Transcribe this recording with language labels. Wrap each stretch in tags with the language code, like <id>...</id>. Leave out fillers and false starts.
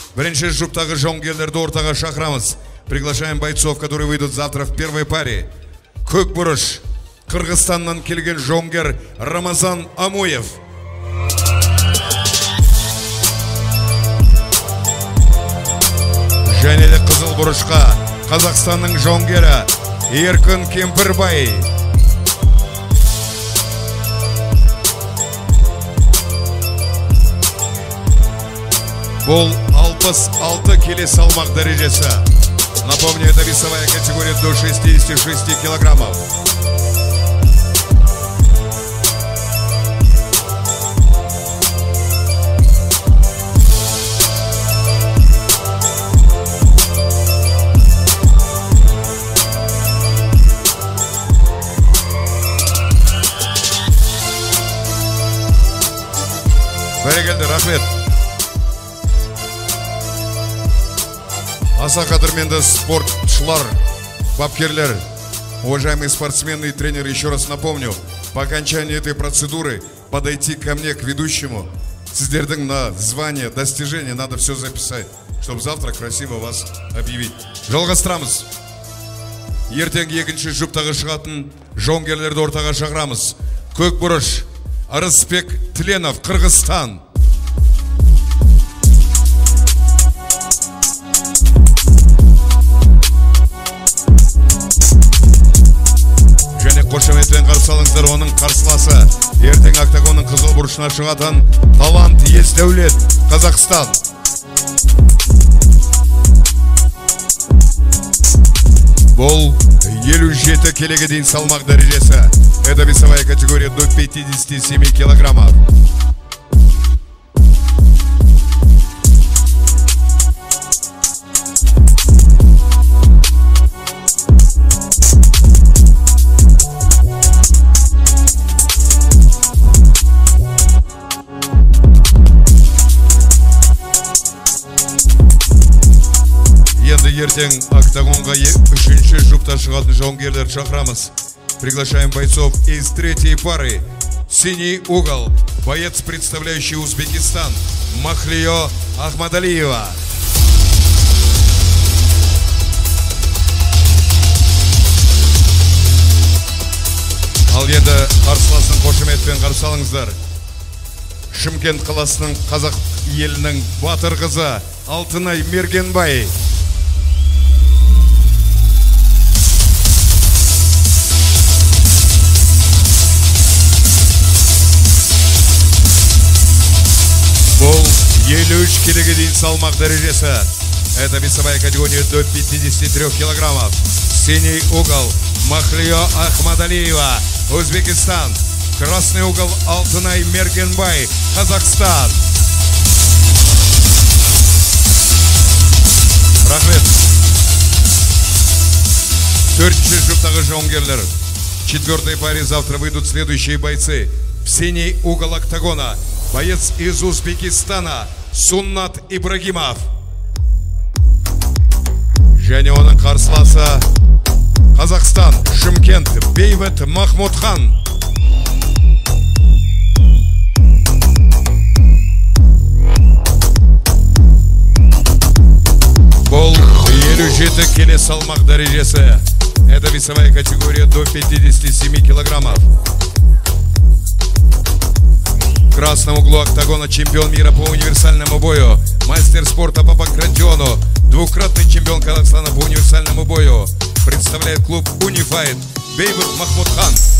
<kk>Бірінші жұптағы жонгерлерді ортаға шақырамыз.</kk> <ru>Приглашаем бойцов, которые выйдут завтра в первой паре.</ru> <kk>Көкбұрыш. Кыргызстаннан келген жонгер Рамазан Амуев. Және де қызыл бұрышқа Қазақстанның жонгері Еркін Кемпірбай. Бұл 66 келі салмақ дәрежесі.</kk> <ru>Напомню, это весовая категория до 66 килограммов.</ru> <kk>Бәрекелді, рахмет. Аса қадірменді спортшылар, бапкерлер,</kk> <ru>уважаемые спортсмены и тренеры, еще раз напомню, по окончании этой процедуры подойти ко мне, к ведущему,</ru> <kk>сіздердің</kk> <ru>на звание, достижение, надо все записать, чтобы завтра красиво вас объявить.</ru> <kk>Жалғастырамыз. Ертең екінші жұптағы шығатын жонгерлерді ортаға шақырамыз. Көкбұрыш, Арысбек Тленов, Кыргызстан. Қошеметпен қарсы алыңыздар оның қарсыласы. Ертең октагонның қызыл бұрышына шығатын талант Есдәулет, Қазақстан. Бұл 57 келеге дейін салмақ дәрежесі.</kk> <ru>Это весовая категория до 57 килограммов.</ru> <kk>Ертең октагонға үшінші жұпта шығатын жонгерлер шақырамыз.</kk> <ru>Приглашаем бойцов из третьей пары. Синий угол. Боец, представляющий Узбекистан. Махлио Ахмадалиева.</ru> <kk>Ал енді қарсыласын қошеметпен қарсы алыңыздар. Шымкент қаласының қазақ елінің батыр қызы Алтынай Мергенбай. Ключ килогидин салмах дарежеса.</kk> <ru>Это весовая категория до 53 килограммов. Синий угол Махлио Ахмадалиева, Узбекистан. Красный угол Алтынай Мергенбай, Казахстан.</ru> <kk>Рахмет. Төртінші жұптағы жонгерлер.</kk> <ru>Четвертой паре завтра выйдут следующие бойцы. В синий угол октагона. Боец из Узбекистана. Суннат Ибрагимов.</ru> <kk>Және оның қарсыласы Қазақстан, Шымкент, Бейбет Махмудхан. Бұл 57 келі салмақ дәрежесі.</kk> <ru>Это весовая категория до 57 килограммов. В красном углу октагона чемпион мира по универсальному бою. Мастер спорта по панкратиону. Двукратный чемпион Казахстана по универсальному бою. Представляет клуб Unified Бейбут Махмудхан.</ru>